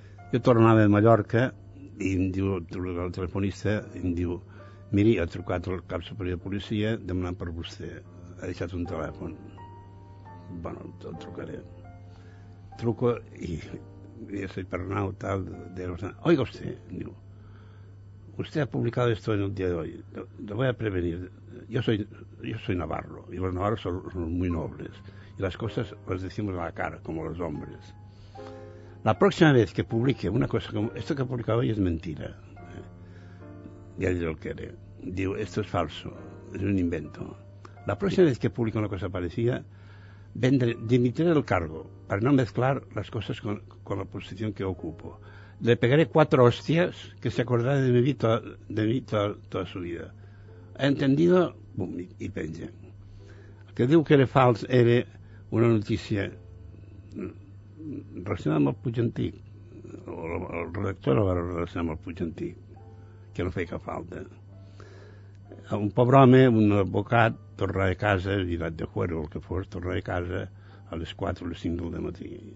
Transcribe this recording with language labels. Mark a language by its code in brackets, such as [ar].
[ca] Jo tornava de Mallorca i em diu el telefonista, em diu, miri, ha trucat el cap superior de policia demanant per vostè. Ha deixat un telèfon. Bueno, el trucaré. Truco i és el Pernau, tal, de la zona. Oiga vostè, diu, vostè ha publicat esto en el dia d'hoy. [es] Lo voy a prevenir. Yo soy navarro, y los navarros son muy nobles. Y las cosas las decimos a la cara, como los hombres. La próxima vez que publique una cosa como... Esto que ha publicado hoy es mentira. Ya yo lo quiere. Digo, esto es falso, es un invento. La próxima vez que publique una cosa parecida, dimitiré del cargo para no mezclar las cosas con la posición que ocupo. Le pegaré 4 hostias que se acordará de mi vida, toda su vida. ¿Ha entendido? Bum, y penja. [ca] El que diu que era fals era una notícia relacionada amb el Puig Antic. El redactor la va relacionar amb el Puig Antic, que no feia cap falta. Un pobre home, un advocat, torna a casa, virat de fora o el que fos, torna a casa a les 4 o les 5 del matí.